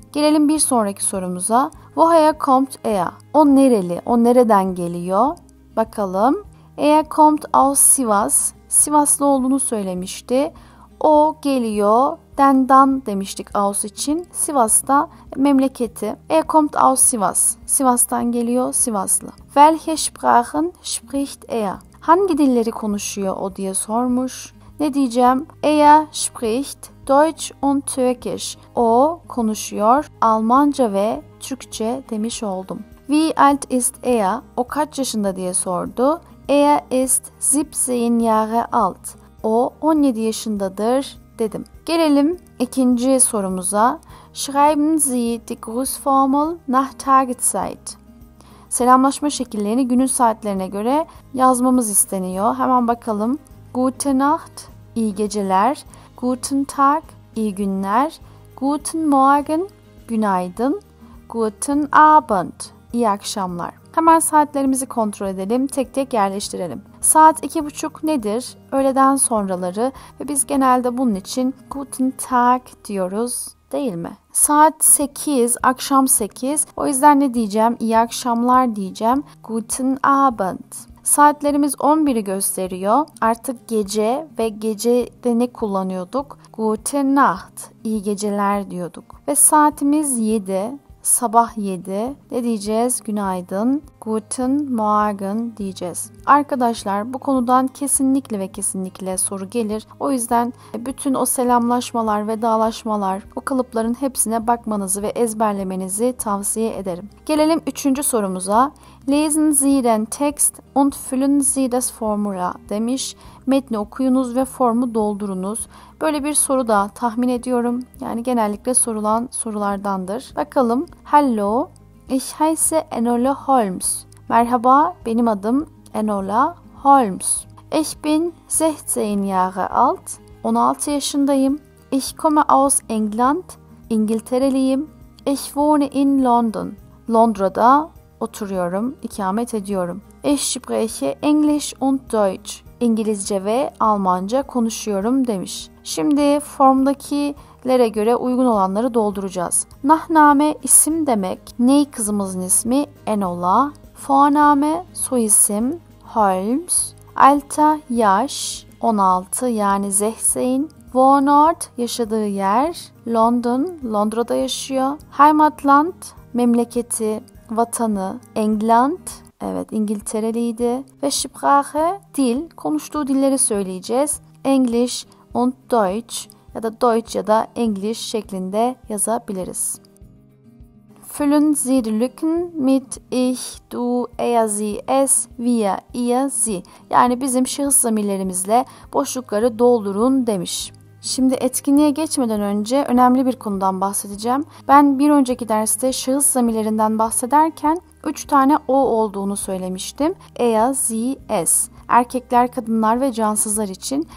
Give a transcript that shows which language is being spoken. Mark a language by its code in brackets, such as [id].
[tr] Gelelim bir sonraki sorumuza. [de] Woher kommt er? [tr] O nereli, o nereden geliyor? Bakalım. [de] Er kommt aus Sivas. [tr] Sivaslı olduğunu söylemişti. O geliyor, Dandan demiştik aus için. Sivas'ta memleketi. [de] Er kommt aus Sivas. [tr] Sivas'tan geliyor, Sivaslı. [de] Welche Sprachen spricht er? [tr] Hangi dilleri konuşuyor o diye sormuş. Ne diyeceğim? [de] Er spricht Deutsch und Türkisch. [tr] O konuşuyor Almanca ve Türkçe demiş oldum. [de] Wie alt ist er? [tr] O kaç yaşında diye sordu. [de] Er ist 17 Jahre alt. [tr] O 17 yaşındadır dedim. Gelelim ikinci sorumuza. [de] Schreiben Sie die Grußformel nach Tageszeit. [tr] Selamlaşma şekillerini günün saatlerine göre yazmamız isteniyor. Hemen bakalım. [de] Gute Nacht, [tr] iyi geceler. [de] Guten Tag, [tr] iyi günler. [de] Guten Morgen, [tr] günaydın. [de] Guten Abend, [tr] iyi akşamlar. Hemen saatlerimizi kontrol edelim, tek tek yerleştirelim. Saat 2.30 nedir? Öğleden sonraları ve biz genelde bunun için [de] Guten Tag [tr] diyoruz değil mi? Saat 8, akşam 8. O yüzden ne diyeceğim? İyi akşamlar diyeceğim. [de] Guten Abend. [tr] Saatlerimiz 11'i gösteriyor. Artık gece ve gecede ne kullanıyorduk? [de] Gute Nacht, [tr] iyi geceler diyorduk. Ve saatimiz 7. Sabah 7. Ne diyeceğiz? Günaydın. [de] Guten Morgen [tr] diyeceğiz. Arkadaşlar bu konudan kesinlikle ve kesinlikle soru gelir. O yüzden bütün o selamlaşmalar, vedalaşmalar, o kalıpların hepsine bakmanızı ve ezberlemenizi tavsiye ederim. Gelelim 3. sorumuza. [de] Lesen Sie den Text und füllen Sie das Formular [tr] demiş. Metni okuyunuz ve formu doldurunuz. Böyle bir soru da tahmin ediyorum. Yani genellikle sorulan sorulardandır. Bakalım. [de] Hello, ich heiße Enola Holmes. [tr] Merhaba, benim adım Enola Holmes. [de] Ich bin 16 Jahre alt. [tr] 16 yaşındayım. [de] Ich komme aus England. [tr] İngiltereliyim. [de] Ich wohne in London. [tr] Londra'da oturuyorum, ikamet ediyorum. [de] Ich spreche English und Deutsch. [tr] İngilizce ve Almanca konuşuyorum demiş. Şimdi formdakilere göre uygun olanları dolduracağız. Nachname isim demek. Ney kızımızın ismi? Enola. Vorname soyisim. Holmes. Alter yaş. 16 yani 16. Wohnort yaşadığı yer. London. Londra'da yaşıyor. Heimatland memleketi, vatanı. England. Evet, İngiltereliydi. Ve Sprache, dil, konuştuğu dilleri söyleyeceğiz. [de] English und Deutsch, [tr] ya da Deutsch ya da English şeklinde yazabiliriz. [de] Füllen Sie die Lücken mit ich, du, er, sie, es, wir, ihr, sie. [tr] Yani bizim şahıs zamirlerimizle boşlukları doldurun demiş. Şimdi etkinliğe geçmeden önce önemli bir konudan bahsedeceğim. Ben bir önceki derste şahıs zamirlerinden bahsederken 3 tane o olduğunu söylemiştim. Er, sie, es. Erkekler, kadınlar ve cansızlar için.